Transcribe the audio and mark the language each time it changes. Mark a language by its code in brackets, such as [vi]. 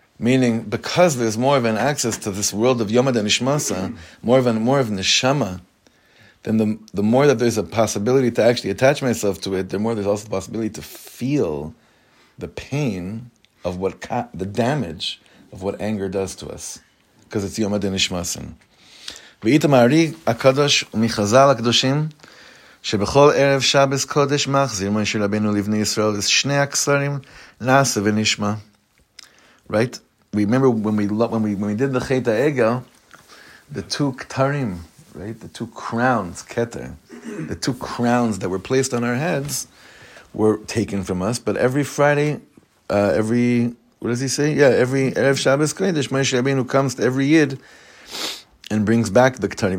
[en] Meaning, because there's more of an access to this world of Yom HaDeNishmasa, more of neshama, then the more that there's a possibility to actually attach myself to it, the more there's also the possibility to feel the pain of the damage of what anger does to us. Because it's Yom HaDeNishmasa. [he] V'itam Ari HaKadosh Michazal HaKadoshim שבכל ערב שבת קודש מחזיר משה רבנו לבני ישראל שני הקסרים נעשה ונשמע. [en] Right? We remember when we did the Chet HaEgel, the two ktarim, right? The two crowns, keter, the two crowns that were placed on our heads were taken from us. But every Friday, every [he] ערב שבת קודש משה רבנו [en] comes to every yid and brings back the ketarim.